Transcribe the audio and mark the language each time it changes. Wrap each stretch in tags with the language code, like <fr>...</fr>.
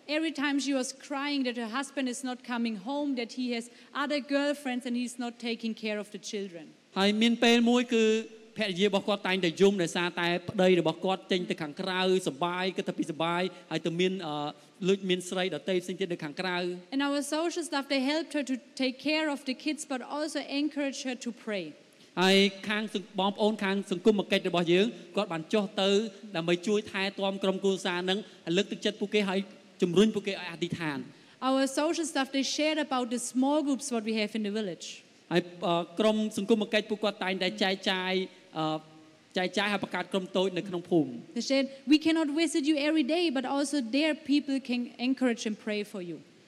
<en>Every time she was crying that her husband is not coming home that he has other girlfriends and he's not taking care of the children.</en> <km>ហើយមានពេលមួយគឺភរិយារបស់គាត់តែងតែយំដោយសារតែប្តីរបស់គាត់ចេញទៅខាងក្រៅសុបាយគាត់ទៅពីសុបាយហើយទៅមានលួចមានស្រីដទៃផ្សេងទៀតនៅខាងក្រៅ</km> <en>And our social staff they helped her to take care of the kids but also encouraged her to pray</en> <km>ហើយខាងបងប្អូនខាងសង្គមគិច្ចរបស់យើងគាត់បានចុះទៅដើម្បីជួយថែទាំក្រុមគ្រួសារនឹងលើកទឹកចិត្តពួកគេហើយជំរុញពួកគេឲ្យអធិដ្ឋាន</km> <en>our social staff, they shared about the small groups what we have in the village. They said, we cannot visit you every day, but also there people can encourage and pray for you.</en>